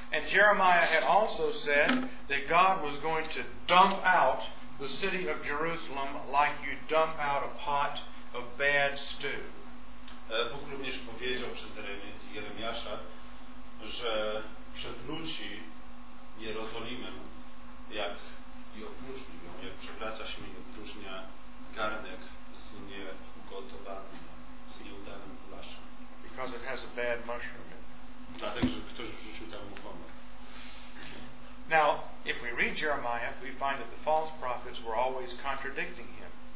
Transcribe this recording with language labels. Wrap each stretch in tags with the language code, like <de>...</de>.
<en>Jeremiah had also said that God was going to dump out the city of Jerusalem like you dump out a pot of bad stew.</en> <pl>Bóg również powiedział przez Jeremiasza, że przewróci Jerozolimę, jak i opróżni ją, jak przewraca się i opróżnia garnek z nieugotowanym, z nieudanym gulaszem.</pl> <en>Because it has a bad mushroom.</en> <pl>Dlatego, że ktoś wrzucił tam mukomę.</pl> <en>Now, if we read Jeremiah, we find that the false prophets were always contradicting him.</en>